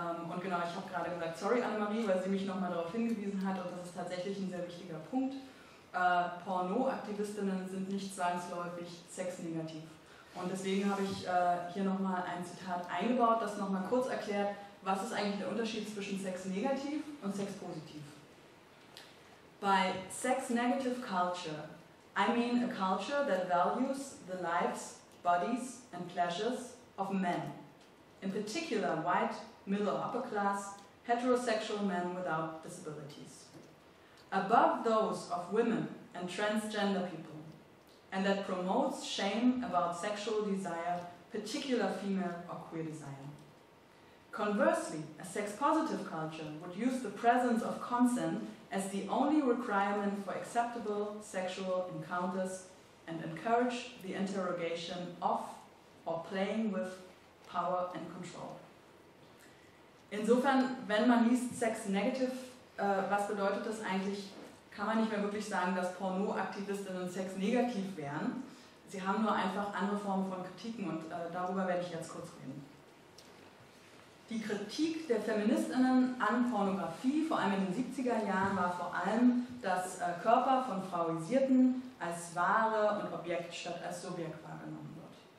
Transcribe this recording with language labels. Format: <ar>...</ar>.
<de>Und genau, ich habe gerade gesagt, sorry Annemarie, weil sie mich nochmal darauf hingewiesen hat und das ist tatsächlich ein sehr wichtiger Punkt. Porno-AktivistInnen sind nicht zwangsläufig sexnegativ. Und deswegen habe ich hier nochmal ein Zitat eingebaut, das nochmal kurz erklärt, was ist eigentlich der Unterschied zwischen sexnegativ und sexpositiv.</de> <en>By sex-negative culture, I mean a culture that values the lives, bodies, and pleasures of men, in particular white, middle or upper class, heterosexual men without disabilities, above those of women and transgender people, and that promotes shame about sexual desire, particular female or queer desire. Conversely, a sex-positive culture would use the presence of consent as the only requirement for acceptable sexual encounters and encourage the interrogation of or playing with power and control.</en> <de>Insofern, wenn man liest sex-negative, was bedeutet das eigentlich, kann man nicht mehr wirklich sagen, dass Porno-Aktivistinnen sex-negativ wären. Sie haben nur einfach andere Formen von Kritiken und darüber werde ich jetzt kurz reden. Die Kritik der Feministinnen an Pornografie, vor allem in den 70er Jahren, war vor allem, dass Körper von Frauisierten als Ware und Objekt statt als Subjekt wahrgenommen wird.</de>